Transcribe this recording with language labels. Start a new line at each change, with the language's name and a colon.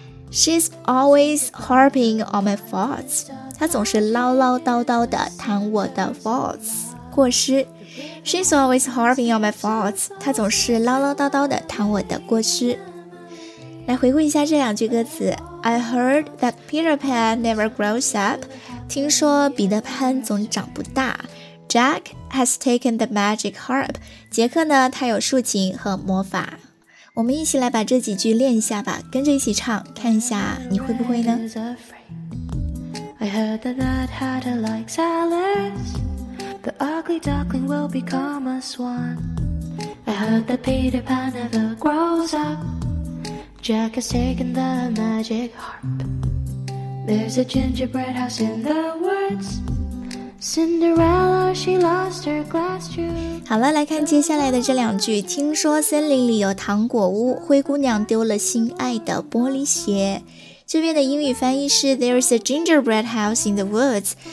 English: She's always harping on my faults.
Chinese: 她总是唠唠叨叨地谈我的 faults, 过失。
English: She's always harping on my faults.
Chinese: 她总是唠唠叨叨地谈我的过失。来回顾一下这两句歌词。
English: I heard that Peter Pan never grows up.
Chinese: 听说彼得潘总长不大。
English: Jack has taken the magic harp.
Chinese: 杰克呢，他有竖琴和魔法。我们一起来把这几句练一下吧，跟着一起唱，看一下你会不会呢？
English: I heard that Mad Hatter likes Alice. The ugly duckling will become a swan. I heard that Peter Pan never grows up. Jack has taken the magic harp. There's a gingerbread house in the woods. Cinderella, she lost her glass shoe.
Chinese: 好了，来看接下来的这两句。听说森林里有糖果屋，灰姑娘丢了心爱的玻璃鞋。这边的英语翻译是
English: There's a gingerbread house in the woods.